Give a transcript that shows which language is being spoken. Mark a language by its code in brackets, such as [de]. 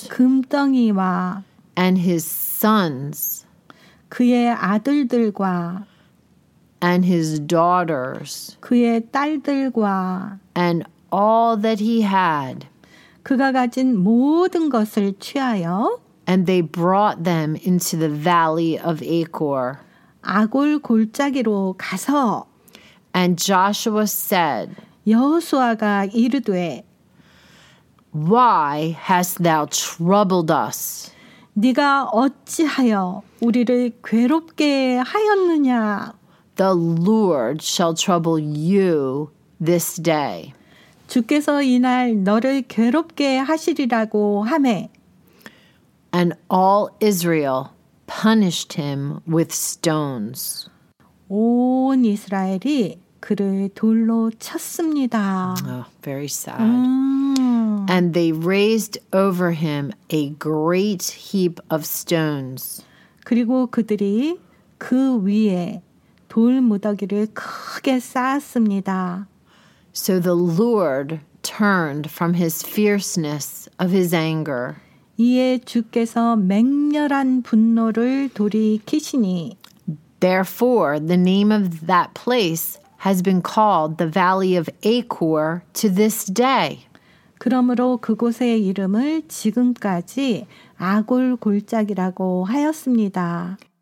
[ko] 금덩이와 [en] and his sons [ko] 그의 아들들과 [en] And his daughters. [ko] 그의 딸들과. [en] And all that he had. [ko] 그가 가진 모든 것을 취하여. [en] And they brought them into the valley of Achor. [ko] 아골 골짜기로 가서. [en] And Joshua said. [ko] 여호수아가 이르되. [en] Why hast thou troubled us? [ko] 네가 어찌하여 우리를 괴롭게 하였느냐. [en] The Lord shall trouble you this day. [ko] 주께서 이날 너를 괴롭게 하시리라고 하매. [en] And all Israel punished him with stones. [ko] 온 이스라엘이 그를 돌로 쳤습니다. [en] Oh, very sad. And they raised over him a great heap of stones. [ko] 그리고 그들이 그 위에 돌무더기를 크게 쌓았습니다. [en] So the Lord turned from his fierceness of his anger. [ko] 이에 주께서 맹렬한 분노를 돌이키시니 [en] Therefore, the name of that place has been called the Valley of Achor to this day. [ko] 그러므로 그곳의 이름을 지금까지 아골 골짜기라고 하였습니다.